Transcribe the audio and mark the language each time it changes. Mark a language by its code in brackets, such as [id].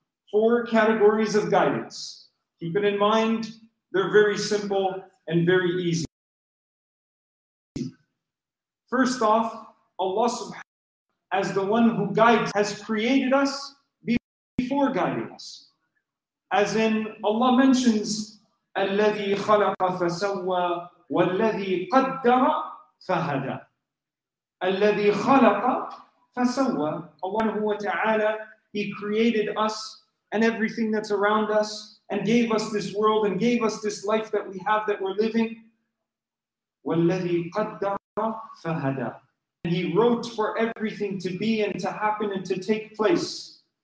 [en] Four categories of guidance. Keep it in mind, they're very simple and very easy. First off, Allah subhanahu wa ta'ala, as the one who guides, has created us before guiding us. As in, Allah mentions, [ar] الَّذِي خَلَقَ فَسَوَّى وَالَّذِي قَدَّرَ فَهَدَى الَّذِي خَلَقَ فَسَوَّى. [en] Allah wa ta'ala, He created us and everything that's around us and gave us this world and gave us this life that we have, that we're living. [ar] وَالَّذِي قَدَّرَ فَهَدَى. [en] And He wrote for everything to be and to happen and to take place.